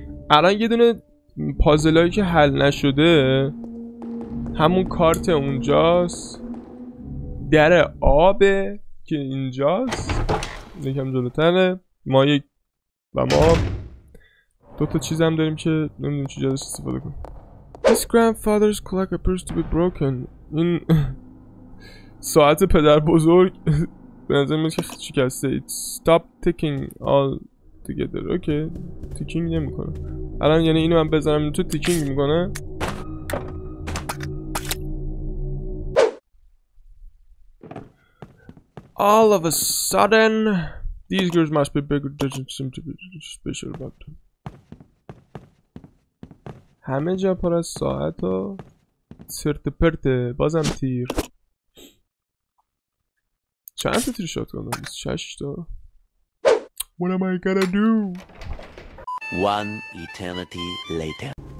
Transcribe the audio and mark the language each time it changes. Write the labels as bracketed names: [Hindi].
[Persian] الان یه دونه پازلایی که حل نشده همون کارت اونجاست، در آب که اینجاست یکم جلوتره، ما یک و ما دو تا چیز هم داریم که نمیدونم چه جاش استفاده کنم. [English] This grandfather's clock appears to be broken. [Persian] این ساعت پدر بزرگ به نظر میاد که شکسته. [English] It stopped ticking all together. [Persian] اوکی تیکینگ نمیکنه الان، یعنی اینو من بزنم تو تیکینگ میکنه. [English] All of a sudden these girls must be bigger, doesn't seem to be special about them. [Persian] همه جا پر از ساعت و سرت پرته. بازم تیر. چند تا تیر شات کنم؟ 6 تا. [English] What am I gonna do? One eternity later.